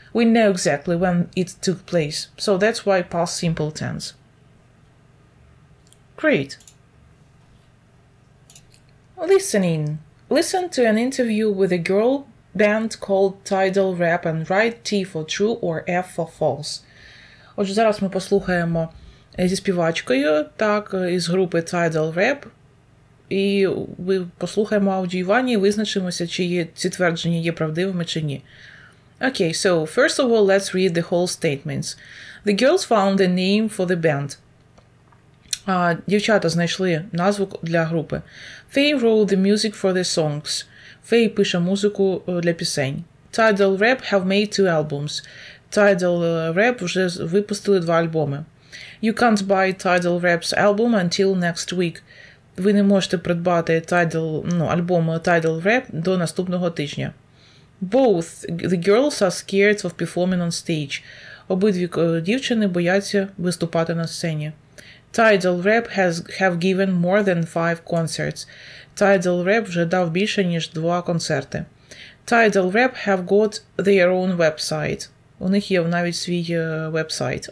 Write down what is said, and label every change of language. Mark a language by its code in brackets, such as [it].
[en] We know exactly when it took place, so that's why past simple tense. Great. Listening. Listen to an interview with a girl band called Tidal Rap and write T for true or F for false. [uk] Отже, зараз ми послухаємо зі співачкою, так, із групи Tidal Rap. І ми послухаємо аудіювання і визначимося, чи є ці твердження є правдивими чи ні. [en] Okay, so first of all, let's read the whole statements. The girls found a name for the band. [uk] Дівчата знайшли назву для групи. [en] Faye wrote the music for the songs. [uk] Faye пише музику для пісень. [en] Tidal Rap have made two albums. [uk] Tidal Rap вже випустили два альбоми. [en] You can't buy Tidal Rap's album until next week. [uk] Ви не можете придбати альбом Tidal Rap до наступного тижня. [en] Both the girls are scared of performing on stage. [uk] Обидві дівчини бояться виступати на сцені. [en] Tidal Rap have given more than 5 concerts. [uk] Tidal Rap вже дав більше, ніж 2 концерти. [en] Tidal Rap have got their own website. [uk] У них є навіть свій веб-сайт.